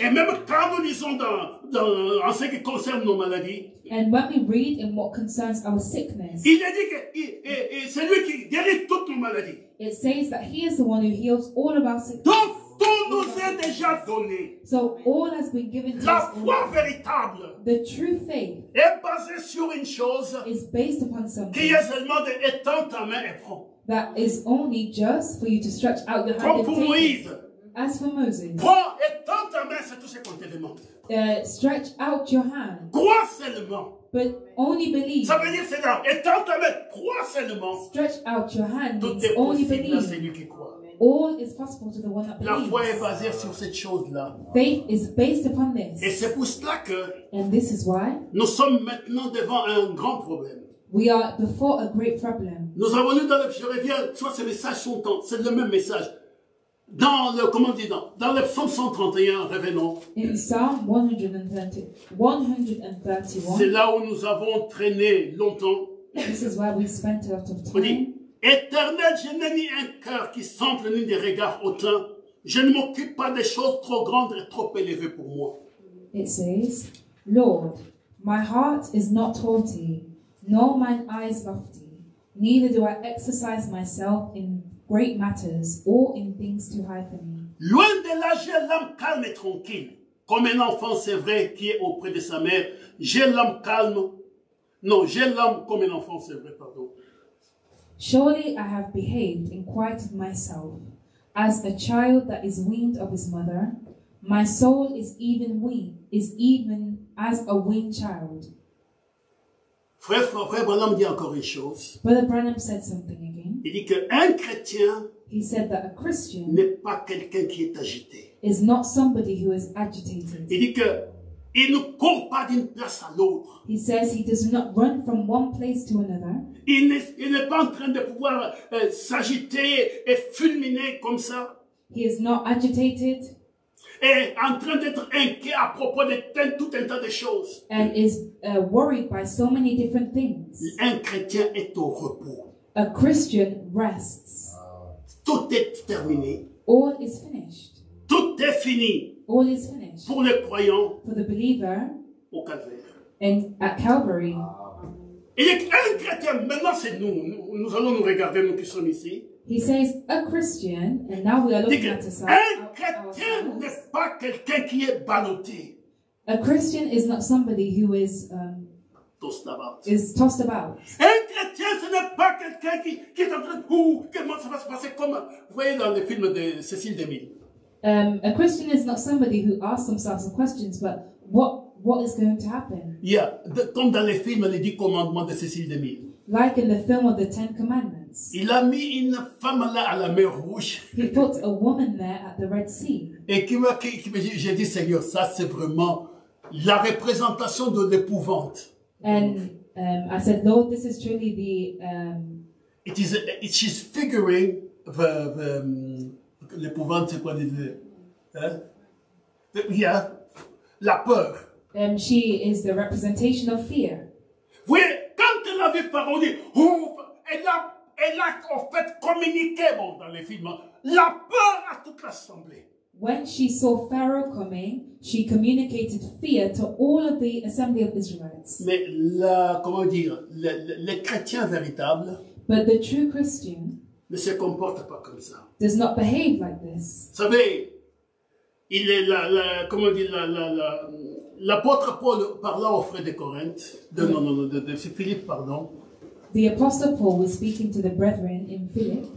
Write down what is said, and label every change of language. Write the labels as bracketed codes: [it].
[fr] Et même quand nous lisons en ce qui concerne nos maladies. [en] And when we read in what concerns our sickness. [fr] Il a dit que c'est lui qui guérit toutes nos maladies. [en] It says that he is the one who heals all of our sickness. [fr] Donc tout nous est déjà donné. [en] So all has been given to [fr] la [en] us. [fr] La foi véritable. [en] The true faith. [fr] Est basée sur une chose. [en] Is based upon something. [fr] Qui est seulement de étendre ta main et prendre. [en] That is only just for you to stretch out your [fr] comme [en] hand. [fr] Comme pour Moïse. [en] As for Moses. [fr] Prends et tends ta main, c'est tout ce qu'on te demande. [en] Stretch out your hand. [fr] Crois seulement. [en] But only believe. [fr] Ça veut dire c'est là. Et tends ta main. Crois seulement. [en] Stretch out your hand. [fr] Tout est possible à celui qui croit. [en] All is possible to the one that believes. [fr] La foi est basée sur cette chose-là. [en] Faith is based upon this. [fr] Et c'est pour cela que. [en] And this is why. [fr] Nous sommes maintenant devant un grand problème. [en] We are before a great problem. [fr] Nous avons lu dans le je reviens, soit ces messages sont en, c'est le même message. Dans le comment dire dans le psaume 131, revenons. [en] In Psalm 131. [fr] C'est là où nous avons traîné longtemps. [en] This is where we spent a lot of time. [fr] On dit, Éternel, je n'ai ni un cœur qui semble ni des regards hautains. Je ne m'occupe pas des choses trop grandes et trop élevées pour moi. [en] It says, Lord, my heart is not haughty. Nor mine eyes lofty, neither do I exercise myself in great matters or in things too high for me. [fr] Loin de là, j'ai l'âme calme et tranquille, comme un enfant, c'est vrai, qui est auprès de sa mère. J'ai l'âme calme. Non, j'ai l'âme comme un enfant, c'est vrai, pardon. [en] Surely I have behaved and quieted myself, as a child that is weaned of his mother. My soul is even weaned, is even as a weaned child. [fr] Frère Branham dit encore une chose. [en] Brother Branham said something again. [fr] Il dit qu'un chrétien [en] he said that a Christian [fr] n'est pas quelqu'un qui est agité. [en] Is not somebody who is agitated. [fr] Il dit qu'il ne court pas d'une place à l'autre. [en] He says he does not run from one place to another. [fr] Il n'est pas en train de pouvoir s'agiter et fulminer comme ça. [en] He is not agitated. [fr] Et en train d'être inquiet à propos de tout un tas de choses. [en] And is worried by so many different things. [fr] Un chrétien est au repos. [en] A Christian rests. [fr] Tout est terminé. [en] All is finished. [fr] Tout est fini. [en] All is finished. [fr] Pour le croyant. [en] For the believer. [fr] Au Calvaire. [en] And at Calvary. [fr] Il est un chrétien. Maintenant c'est nous. Nous allons nous regarder, nous qui sommes ici. [en] He says, a Christian, and now we are looking at ourselves. [fr] Un chrétien n'est pas quelqu'un qui est ballotté. [en] A Christian is not somebody who is, tossed about. [fr] Un chrétien, ce n'est pas quelqu'un qui est en train de... comment ça va se passer comme... Vous voyez dans le film de Cécile Demille. [en] A Christian is not somebody who asks themselves some questions, but what is going to happen? [fr] Yeah, comme dans le film Les Dix Commandements de Cécile Demille. [en] Like in the film of the Ten Commandments. [fr] Il a mis une femme là à la mer rouge. [en] He put a woman there at the Red Sea. [fr] Et j'ai dit, Seigneur, ça c'est vraiment la représentation de l'épouvante. [en] And I said, Lord, this is truly the... She's figuring the [fr] l'épouvante, c'est quoi dire? Hein? Yeah, la peur. [en] She is the representation of fear. [fr] Oui. La vie parole, elle a en fait communiqué bon, dans les films la peur à toute l'assemblée. [en] When she saw Pharaoh coming, she communicated fear to all of the assembly of Israelites. [fr] Mais la comment dire, les chrétiens véritables. [en] But the true Christian [fr] ne se comporte pas comme ça. [en] Does not behave like this. [fr] Vous savez, il est la l'apôtre Paul parla aux frères de Corinthe, de Philippe, pardon. [en] The apostle Paul was speaking to the brethren in Philippe.